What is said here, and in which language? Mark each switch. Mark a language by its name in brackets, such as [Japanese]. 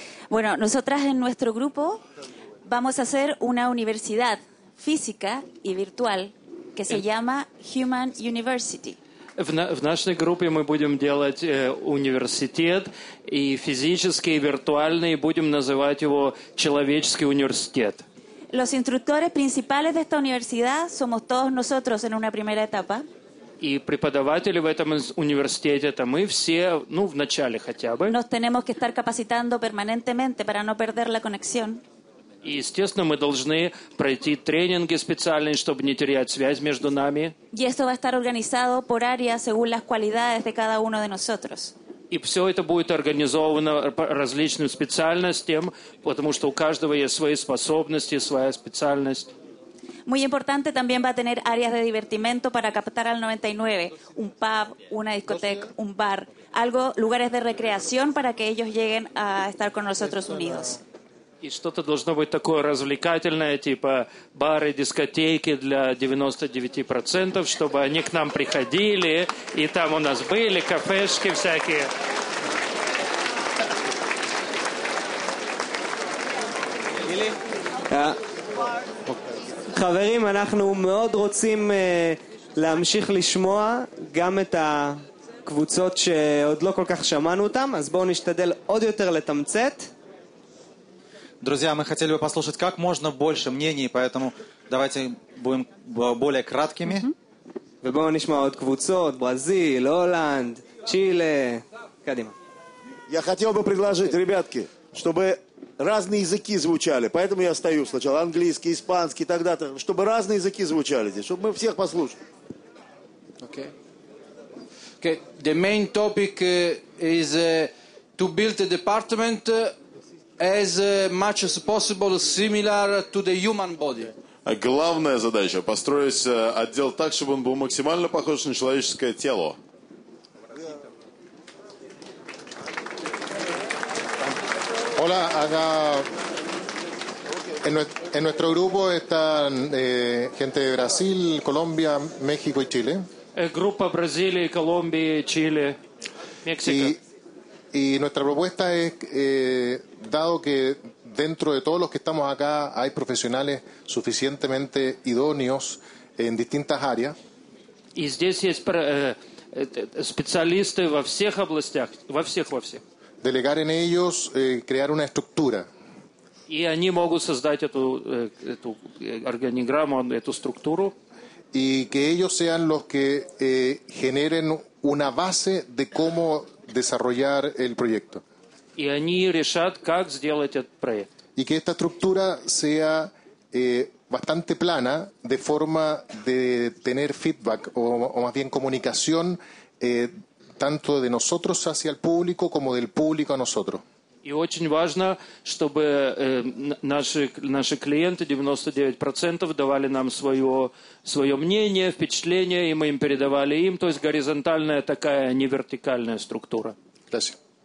[Spanish] Bueno, nosotras en nuestro grupo vamos a hacer una universidad física y virtual que se llama Human University. [Russian] В нашей группе мы будем делать университет и физический, и виртуальный, и будем называть его человеческий университет. [Spanish] Los instructores principales de esta universidad somos todos nosotros en una primera etapa. [Russian] И преподаватели в этом университете, это мы все, ну, в начале хотя бы. [Spanish] Nos tenemos que estar capacitando permanentemente para no perder la conexión. [Russian] И, естественно, мы должны пройти тренинги специальные, чтобы не терять связь между нами. [Spanish] Y esto va a estar organizado por área según las cualidades de cada uno de nosotros. [Russian] И все это будет организовано по различным специальностям, потому что у каждого есть свои способности, своя специальность. [Spanish] Muy importante también va a tener áreas de divertimento para captar al 99, un pub, una discoteca, un bar, algo, lugares de recreación para que ellos lleguen a estar con nosotros unidos. [Russian] Y что-то должно быть такое развлекательное, типа бары, дискотеки для 99%, чтобы они к нам приходили, и там у нас были кафешки всякие. Или? Да. [Hebrew] חברים, אנחנו מאוד רוצים להמשיך לשמוע גם את הקבוצות שעוד לא כל כך שמענו אותם, אז בואו נשתדל עוד יותר לתמצת. [Russian] Друзья, мы хотели бы послушать как можно больше мнений, поэтому давайте будем более краткими. [Hebrew] ובואו נשמע עוד קבוצות, ברזיל, הולנד, צ'ילה, קדימה. [Russian] Я хотел бы предложить, ребятки, чтобы разные языки звучали, поэтому я стою сначала английский, испанский и так далее, чтобы разные языки звучали здесь, чтобы мы всех послушали. Okay. Okay. [English] The main topic is to build a department as much as possible similar to the human body. [Russian] Главная задача построить отдел так, чтобы он был максимально похож на человеческое тело. [Spanish] Hola, acá en nuestro grupo están gente de Brasil, Colombia, México y Chile. Grupo Brasil, Colombia, Chile, México. Y nuestra propuesta es, dado que dentro de todos los que estamos acá hay profesionales suficientemente idóneos en distintas áreas. [Russian] Y здесь есть специалисты во всех областях, во всех, во всех. [Spanish] Delegar en ellos, crear una estructura. [Russian] Y они могут создать эту органиграмму, эту структуру. [Spanish] Y que ellos sean los que generen una base de cómo desarrollar el proyecto. [Russian] Y они решат, как сделать этот проект. [Spanish] Y que esta estructura sea bastante plana, de forma de tener feedback, o más bien comunicación, tanto de nosotros hacia el público como del público a nosotros. [Russian] Y очень важно, чтобы наши клиенты 99% давали нам своё мнение, впечатление, и мы им передавали им, то есть горизонтальная такая, не вертикальная структура. [Spanish] Gracias.